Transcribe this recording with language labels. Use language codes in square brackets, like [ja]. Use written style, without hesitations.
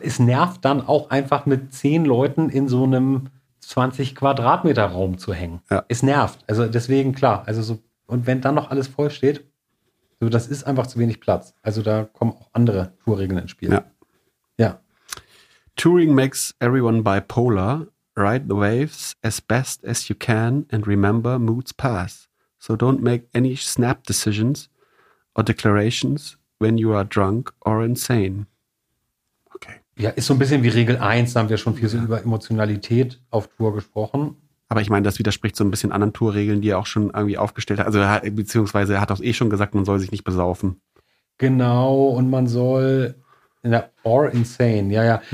[de] es nervt dann auch einfach mit 10 Leuten in so einem 20 Quadratmeter Raum zu hängen. Ja. Es nervt. Also deswegen, klar. Also so, und wenn dann noch alles voll steht, so, das ist einfach zu wenig Platz. Also da kommen auch andere Tourregeln ins Spiel. [en] Ja. ja. Touring makes everyone bipolar. Ride the waves as best as you can and remember moods pass. So don't make any snap decisions or declarations when you are drunk or insane. [de] Okay. Ja, ist so ein bisschen wie Regel 1. Da haben wir schon viel so über Emotionalität auf Tour gesprochen. Aber ich meine, das widerspricht so ein bisschen anderen Tourregeln, die er auch schon irgendwie aufgestellt hat. Also beziehungsweise er hat auch eh schon gesagt, man soll sich nicht besaufen. Genau, und man soll in der [en] or insane, [de] ja, ja.